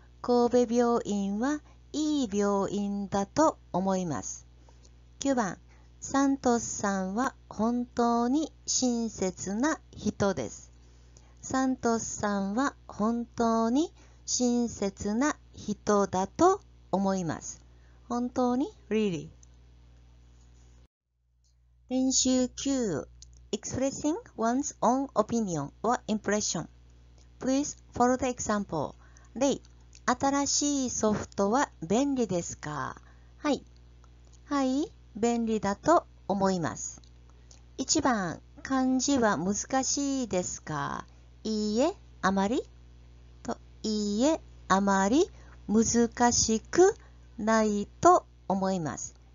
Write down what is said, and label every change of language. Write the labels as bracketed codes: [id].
[ja] 神戸病院はいい病院だと思います。 9番、サントスさんは本当に親切な人です。サントスさんは本当に親切な人だと思います。本当に [en] really [ja] 練習9 [en] Expressing one's own opinion or impression. Please follow the example. [ja] レイ、新しいソフトは便利ですか？はい。はい、便利だと思います。1番、漢字は難しいですか？いいえ、あまり。と、いいえ、あまり難しくないと思います。